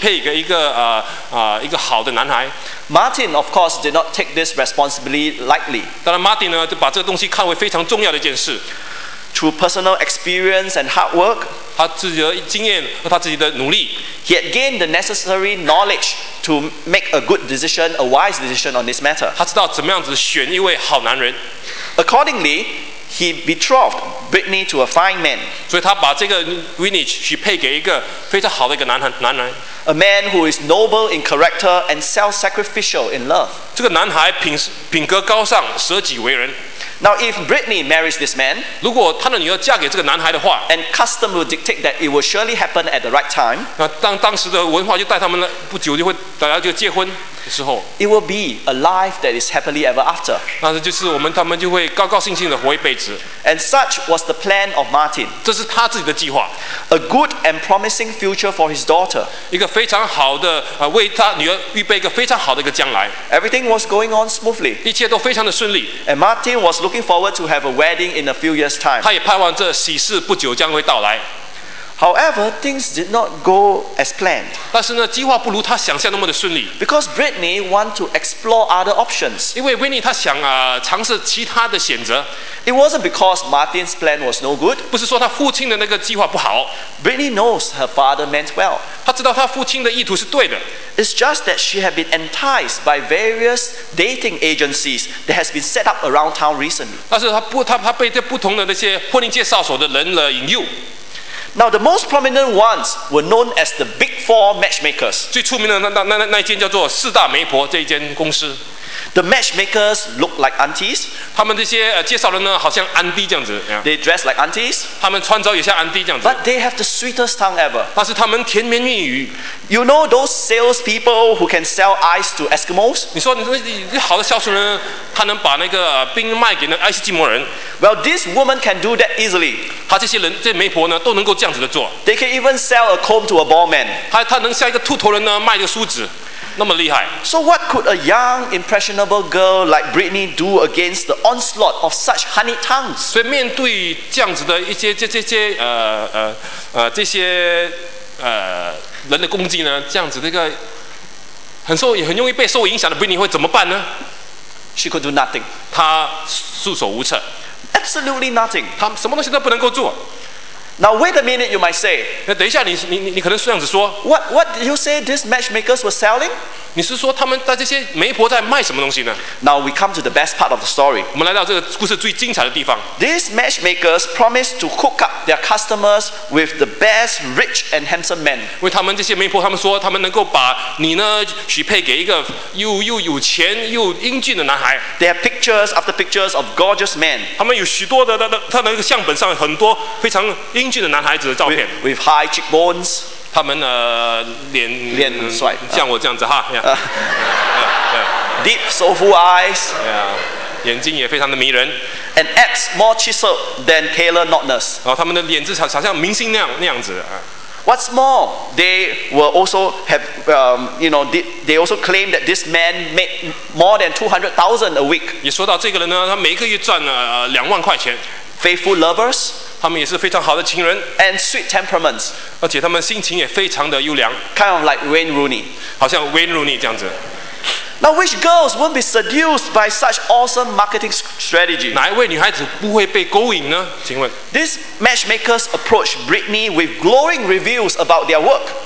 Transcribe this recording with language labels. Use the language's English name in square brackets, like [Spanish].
[Chinese] 一个父亲的职责就是把她许配给一个好的男孩。 [English] Martin, of course, did not take this responsibility lightly. [Chinese] 当然Martin呢就把这个东西看为非常重要的一件事。 [English] Through personal experience and hard work, [Chinese] 他自己的经验和他自己的努力, [English] he had gained the necessary knowledge to make a good decision, a wise decision on this matter. [Chinese] 他知道怎么样子选一位好男人。 [English] Accordingly, he betrothed Brittany to a fine man. [Chinese] 所以他把这个Winnie许配给一个非常好的一个男孩。 [English] A man who is noble in character and self-sacrificial in love. [Chinese] 这个男孩品格高尚，舍己为人。 [English] Now, if Brittany marries this man, [Chinese] 如果她的女儿嫁给这个男孩的话, [English] and custom will dictate that it will surely happen at the right time, [Chinese] 那当时的文化就带他们不久就会大家就结婚的时候, [English] it will be a life that is happily ever after. [Chinese] 那就是他们就会高高兴兴的活一辈子. [English] And such was the plan of Martin. [Chinese] 这是他自己的计划. [English] A good and promising future for his daughter. [Chinese] 一个非常好的为他女儿预备一个非常好的一个将来。 [English] Everything was going on smoothly. [Chinese] 一切都非常的顺利。 [English] And Martin was looking forward to have a wedding in a few years' time. [Chinese] 他也盼望这喜事不久将会到来。 [English] However, things did not go as planned. [Chinese] 但是呢，计划不如他想象那么的顺利。 [English] Because Brittany wanted to explore other options. [Chinese] 因为 Winnie 她想尝试其他的选择。 [English] It wasn't because Martin's plan was no good. [Chinese] 不是说他父亲的那个计划不好。 [English] Brittany knows her father meant well. [Chinese] 她知道她父亲的意图是对的。 [English] It's just that she had been enticed by various dating agencies that has been set up around town recently. [Chinese] 但是她被这不同的那些婚姻介绍所的人了引诱。 [English] Now, the most prominent ones were known as the Big Four matchmakers. [Chinese] 最出名的那间叫做四大媒婆这一间公司。 [English] The matchmakers look like aunties. [Chinese] 他们这些介绍人呢，好像安迪这样子。 [English] They dress like aunties. [Chinese] 他们穿着也像安迪这样子。 [English] But they have the sweetest tongue ever. [Chinese] 但是他们甜言蜜语。 [English] You know those salespeople who can sell ice to Eskimos? [Chinese] 你说你好的销售人，他能把那个冰卖给那爱斯基摩人 [English] ？Well, this woman can do that easily. [Chinese] 他这些人，这媒婆呢，都能够这样子的做。 [English] They can even sell a comb to a bald man. [Chinese] 他能像一个秃头人呢，卖一个梳子。那么厉害。 [English] So what could a young impressionable girl like Brittany do against the onslaught of such honey tongues? [Chinese] 所以面对这样子的一些这些人的攻击呢，这样子这个很容易被受影响的 Brittany 会怎么办呢 [English] ？She could do nothing. [Chinese] 她束手无策。 [English] Absolutely nothing. [Chinese] 她什么东西都不能够做。 [English] Now wait a minute, you might say. [Chinese] 等一下，你可能是这样子说。 [English] What did you say these matchmakers were selling? [Chinese] 你是说他们在这些媒婆在卖什么东西呢 [English] ？Now we come to the best part of the story. [Chinese] 我们来到这个故事最精彩的地方。 [English] These matchmakers promised to hook up their customers with the best, rich and handsome men. [Chinese] 因为他们这些媒婆，他们说他们能够把你呢许配给一个又有钱又英俊的男孩。 [English] They have pictures after pictures of gorgeous men. [Chinese] 他们有许多的他那个相本上很多非常英俊的男孩子的照片。 [English] With high cheekbones. [Chinese] 他们脸帅，像我这样子哈。 [English] Deep, soulful eyes. [Chinese] Yeah, 眼睛也非常的迷人。 [English] And abs more chiseled than Taylor Notness. [Chinese] 他们的脸质好像明星那样子。 [English] What's more, they were also they also claim that this man made more than $200,000 a week. [Chinese] 也说到这个人呢，他每个月赚20,000块钱。 [English] Faithful lovers. [Chinese] 他们也是非常好的情人。 [English] And sweet temperaments. [Chinese] 而且他们心情也非常的优良。 [English] Kind of like Wayne Rooney. [Chinese] 好像 Wayne Rooney 这样子。 [English] Now which girls won't be seduced by such awesome marketing strategy? [Chinese] 哪一位女孩子不会被勾引呢？请问。 [English] These matchmakers approach Brittany with glowing reviews about their work.